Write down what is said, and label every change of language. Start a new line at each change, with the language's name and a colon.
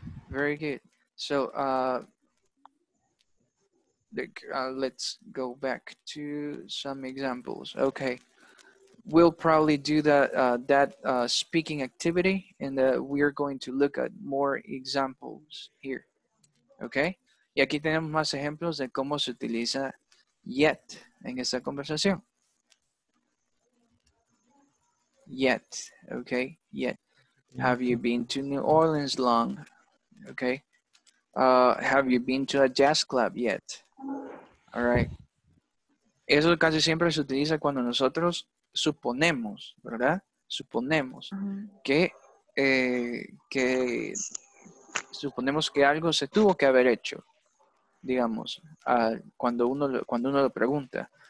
English: Very good. So, let's go back to some examples. Okay, we'll probably do that speaking activity, and we're going to look at more examples here. Okay.
Spanish: Y aquí tenemos más ejemplos de cómo se utiliza yet en esta conversación.
English: Yet, okay, yet. Have you been to New Orleans long? Okay. Have you been to a jazz club yet? All right.
Spanish: Eso casi siempre se utiliza cuando nosotros suponemos, ¿verdad? Suponemos que algo se tuvo que haber hecho, digamos, cuando uno lo pregunta.